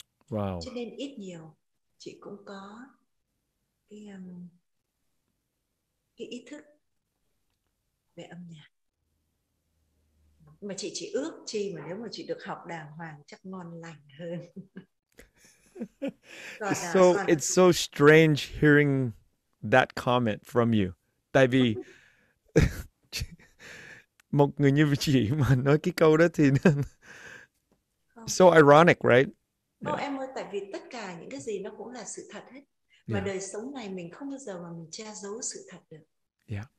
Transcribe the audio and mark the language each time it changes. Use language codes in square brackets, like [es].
[vi] Cho nên ít nhiều chị cũng có cái ý thức về âm nhạc. Mà chị chỉ ước chi mà nếu mà chị được học đàng hoàng chắc ngon lành hơn. Còn [en] It's so strange hearing that comment from you. [vi] Tại vì một người như chị mà nói cái câu đó thì [en] so ironic, right? [vi] không em ơi, tại vì tất cả những cái gì nó cũng là sự thật hết. Mà đời sống này mình không bao giờ mà mình che giấu sự thật được.